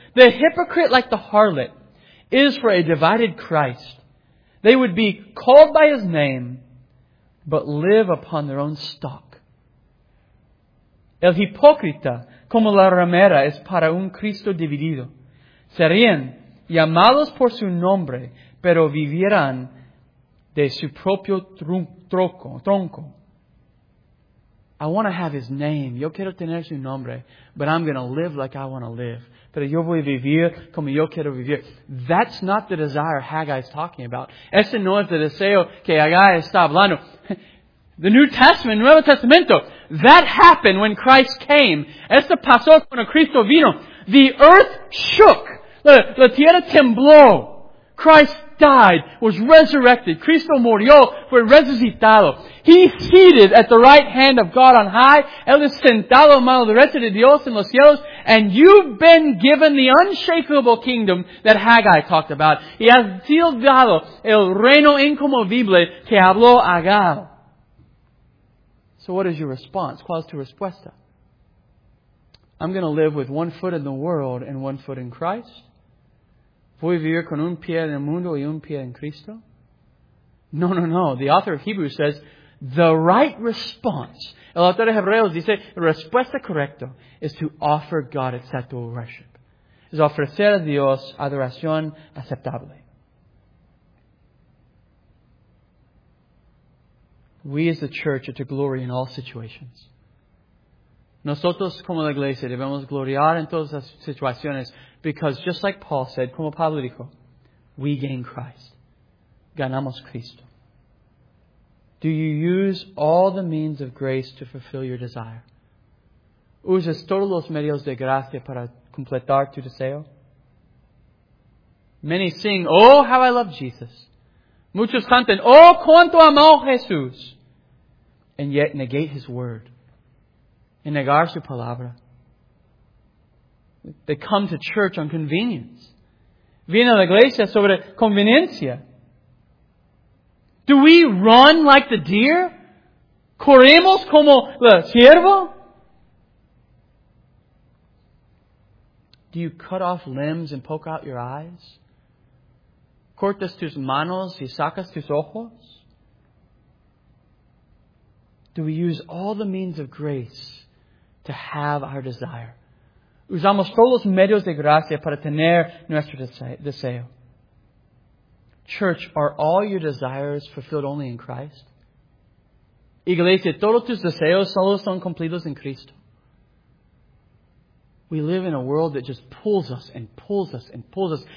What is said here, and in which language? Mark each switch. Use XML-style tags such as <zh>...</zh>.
<en>The hypocrite, like the harlot, is for a divided Christ. They would be called by his name, but live upon their own stock.</en> <es>El hipócrita, como la ramera, es para un Cristo dividido. Serían llamados por su nombre, pero vivieran de su propio tronco.</es> <en>I want to have his name.</en> <es>Yo quiero tener su nombre.</es> <en>But I'm going to live like I want to live.</en> <es>Pero yo voy a vivir como yo quiero vivir.</es> <en>That's not the desire Haggai is talking about.</en> <es>Ese no es el deseo que Haggai está hablando.</es> <en>The New Testament,</en> <es>Nuevo Testamento.</es> <en>That happened when Christ came.</en> <es>Esto pasó cuando Cristo vino.</es> <en>The earth shook.</en> <es>La tierra tembló.</es> <en>Christ died, was resurrected.</en> <es>Cristo murió, fue resucitado.</es> <en>He's seated at the right hand of God on high.</en> <es>Él es sentado a mano derecha de Dios en los cielos.</es> <en>And you've been given the unshakable kingdom that Haggai talked about.</en> <es>Y has sido dado el reino incomovible que habló Haggai.</es> <en>So what is your response?</en> <es>¿Cuál es tu respuesta?</es> <en>I'm going to live with one foot in the world and one foot in Christ.</en> <es>¿Voy a vivir con un pie en el mundo y un pie en Cristo? No.</es> <en>The author of Hebrews says, the right response.</en> <es>El autor de Hebreos dice, la respuesta correcta</es> <en>is to offer God acceptable worship.</en> <es>Es ofrecer a Dios adoración aceptable.</es> <en>We as the church are to glory in all situations.</en> <es>Nosotros como la iglesia debemos gloriar en todas las situaciones.</es> <en>Because just like Paul said,</en> <es>como Pablo dijo,</es> <en>we gain Christ.</en> <es>Ganamos Cristo.</es> <en>Do you use all the means of grace to fulfill your desire?</en> <es>¿Usas todos los medios de gracia para completar tu deseo?</es> <en>Many sing, oh, how I love Jesus.</en> <es>Muchos cantan, oh, cuánto amo Jesús.</es> <en>And yet negate his word.</en> <es>Y negar su palabra.</es> <en>They come to church on convenience.</en> <es>Viene a la iglesia sobre conveniencia.</es> <en>Do we run like the deer?</en> <es>¿Corremos como el ciervo?</es> <en>Do you cut off limbs and poke out your eyes?</en> <es>¿Cortas tus manos y sacas tus ojos?</es> <en>Do we use all the means of grace to have our desire?</en> <es>Usamos todos los medios de gracia para tener nuestro deseo.</es> <en>Church, are all your desires fulfilled only in Christ?</en> <es>Iglesia, todos tus deseos solo son cumplidos en Cristo.</es> <en>We live in a world that just pulls us and pulls us and pulls us.</en>